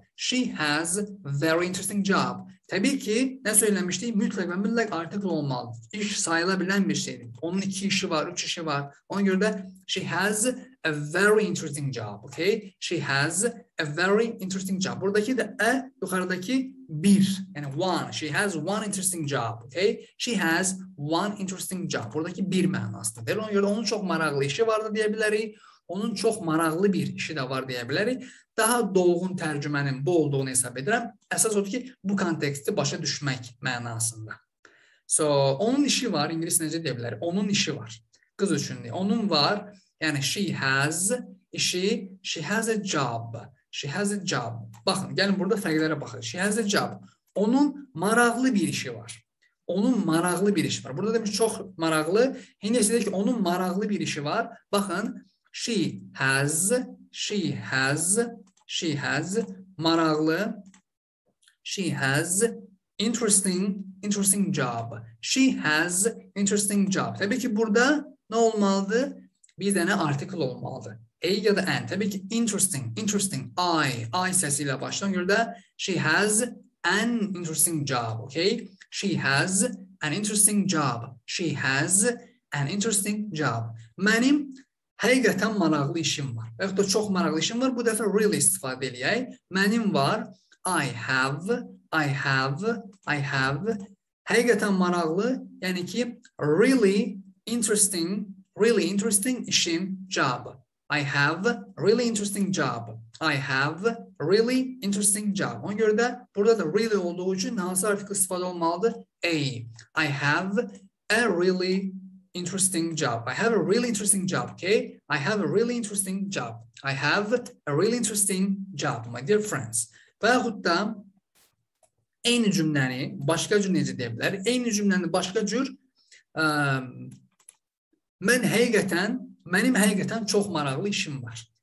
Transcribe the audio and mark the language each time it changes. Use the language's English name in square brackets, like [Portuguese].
[English] She has very interesting job. [Azerbaijani] Təbii ki, nə söyləmişdik? Mütləq və mütləq artikl olmalıdır. İş sayıla bilən bir şeydir. Onun iki işi var, üç işi var. Ona görə də she has a very interesting job. Okay? She has a very interesting job. Buradakı da a, yuxarıdakı bir. Yəni one. [English] She has one interesting job. Okay? She has one interesting job. [Azerbaijani] Buradakı bir mənasıdır. Ona görə də onun çox maraqlı işi vardır deyə bilərik. Onun çox maraqlı bir işi də var deyə bilərik. Daha dolğun tərcümənin bu olduğunu hesab edirəm. Əsas odur ki, bu konteksti başa düşmək mənasında. So, onun işi var, ingilis necə deyə bilərik? Onun işi var, qız üçün deyə. Onun var, yəni [English] she has [Azerbaijani] işi, [English] she has a job. She has a job. [Azerbaijani] Baxın, gəlin burada fərqlərə baxaq. [English] She has a job. [Azerbaijani] Onun maraqlı bir işi var. Onun maraqlı bir işi var. Burada demiş çox maraqlı. İngiliscə deyək ki, onun maraqlı bir işi var. Baxın, [English] she has, she has, she has [Azerbaijani] maraqlı. [English] She has interesting, interesting job. She has interesting job. [Azerbaijani] Təbii ki, burada nə olmalıdır? Bir dənə artikl olmalıdır. A ya da an. Təbii ki, interesting, interesting. I səsi ilə başlayan görə də [English] she has an interesting job. Okay? She has an interesting job. She has an interesting job. [Azerbaijani] Mənim həqiqətən maraqlı işim var. Və yaxud da çox maraqlı işim var. Bu dəfə really istifadə edəyək. Mənim var. [English] I have, I have, I have. [Azerbaijani] Həqiqətən maraqlı, yəni ki, [English] really interesting, really interesting [Azerbaijani] işim, job. [English] I have really interesting job. I have really interesting job. [Azerbaijani] Ona görə də burada da really olduğu üçün hansı artikl istifadə olmalıdır? [English] A. I have a really interesting job. I have a really interesting job. Okay? I have a really interesting job. I have a really interesting job, my dear friends. [Azerbaijani] Və yaxud da eyni cümləni başqa cür necə deyə bilər? Eyni cümləni başqa cür mənim həqiqətən çox maraqlı işim var.